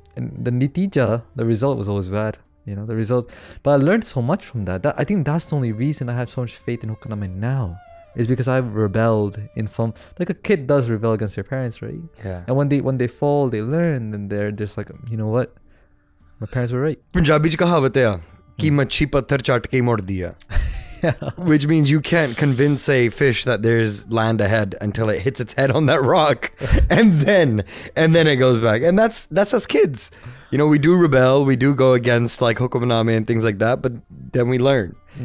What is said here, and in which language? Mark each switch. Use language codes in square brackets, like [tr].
[en] And the nitija, the result was always bad. You know, the result. But I learned so much from that. I think that's the only reason I have so much faith in Hukam Name now. Is because I've rebelled in some, like a kid does rebel against their parents, right? Yeah. And when they fall, they learn, and they're just like, you know what? My parents were right. [pa] Punjabi ਚ ਕਹਾਵਤ ਹੈ ਕਿ ਮੱਛੀ ਪੱਥਰ ਚੱਟ ਕੇ ਮੋੜ ਦਿਆ. [en] Yeah. Which means you can't convince a fish that there's land ahead until it hits its head on that rock. and then it goes back. And that's us kids. You know, we do rebel, we do go against like Hukam Name and things like that, but then we learn.